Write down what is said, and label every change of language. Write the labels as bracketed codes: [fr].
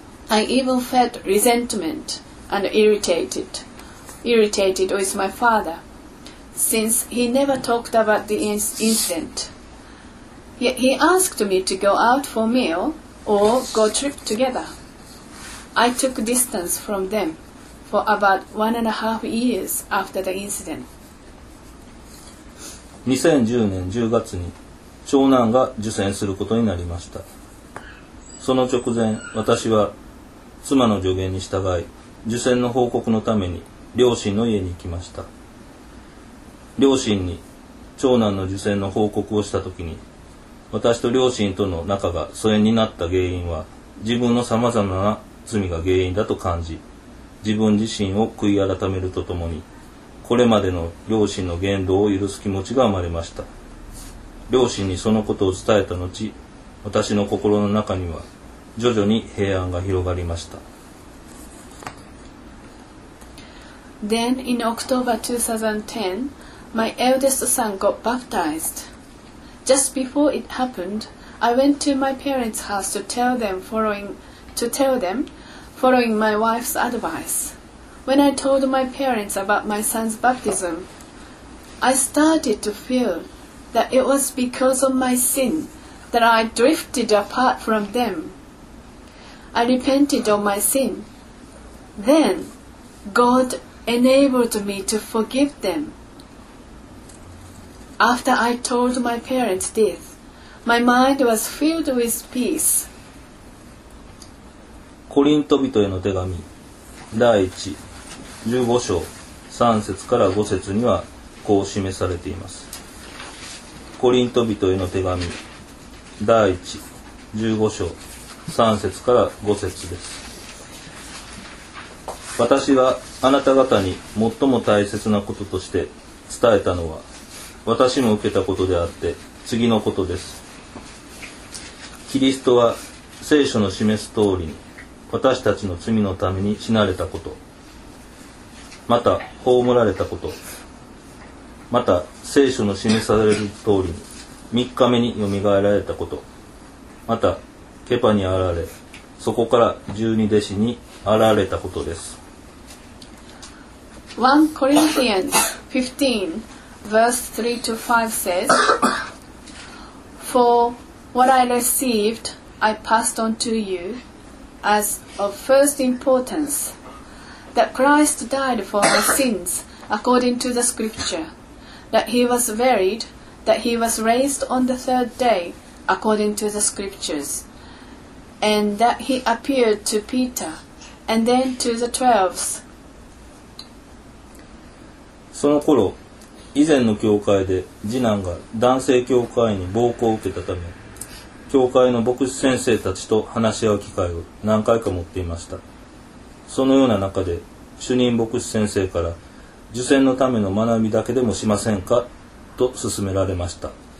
[en] I even felt resentment and irritated with my father, since he never talked about the incident. Yet he asked me to go out for meal or go trip together. I took distance from them for about 1.5 years after the incident. [ja] 2010年10月に長男が受診することになりました。その直前、私は妻の助言に従い、受診の報告のために両親の家に行きました。両親に長男の受診の報告をしたときに、私と両親との仲が疎遠になった原因は自分のさまざまな罪が原因だと感じ、自分自身を悔い改めるとともに、これまでの両親の言動を許す気持ちが生まれました。両親にそのことを伝えた後、私の心の中には徐々に平安が広がりました。 [en] Then, in October 2010, my eldest son got baptized. Just before it happened, I went to my parents' house to tell them, following my wife's advice. When I told my parents about my son's baptism, I started to feel that it was because of my sin that I drifted apart from them. I repented of my sin. Then, God enabled me to forgive them. After I told my parents this, my mind was filled with peace. [ja] コリント人への手紙第1、15章3節から5節にはこう示されています。コリント人への手紙第1、15章3節から5節です。私はあなた方に最も大切なこととして伝えたのは、私も受けたことであって次のことです。キリストは聖書の示す通りに私たちの罪のために死なれたこと、また葬られたこと、また聖書の示される通りに三日目によみがえられたこと、またケパにあられ、そこから十二弟子にあられたことです。 [en] 1 Corinthians 15 verse 3 to 5 says, For what I received, I passed on to you as of first importance, that Christ died for our sins according to the scripture, that he was buried, that he was raised on the third day according to the scriptures, and that he appeared to Peter and then to the twelves. [ja] その頃、以前の教会で次男が男性教会員に暴行を受けたため、教会の牧師先生たちと話し合う機会を何回か持っていました。そのような中で、主任牧師先生から、受洗のための学びだけでもしませんか、と勧められました。